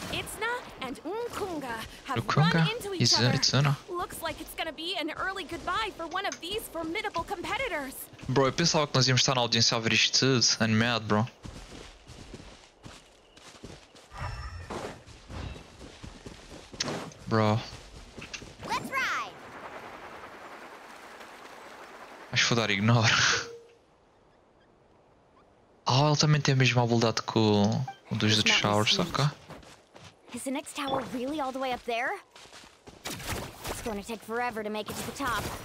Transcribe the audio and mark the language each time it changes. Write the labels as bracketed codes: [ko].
[en] Itzna and Unkunga have run into each other. Itzna. Looks like it's gonna be an early goodbye for one of these formidable competitors. [pt] Bro, eu pensava que nós íamos estar na audiência a ver isto tudo. Animado, bro. Bro. [en] Let's ride. [pt] Acho que vou dar ignore. Oh, ele também tem a mesma habilidade que o dos outros showers, saca? [en] Is the next tower really all the way up there? It's going to take forever to make it to the top.